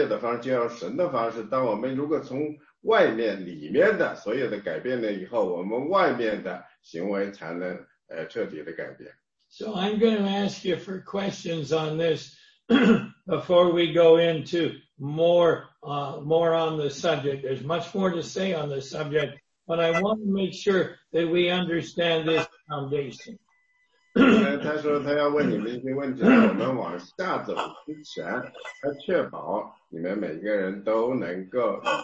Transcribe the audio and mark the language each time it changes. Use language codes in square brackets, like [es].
[zh] 所以呢，我不确定你们能够完全听懂我说的，我也不完全确定我能懂我自己说的。所以他说神的说法呢，就是要我们做一切的事情要用神的方式去做。当我们完全不是用世界的方式，就要神的方式。当我们如果从 外面里面的所有的改变了以后，我们外面的行为才能彻底的改变。 [en] So I'm going to ask you for questions on this before we go into more on the subject. There's much more to say on the subject, but I want to make sure that we understand this foundation. [zh] 他说他要问你们一些问题，我们往下走之前，他确保你们每个人都能够。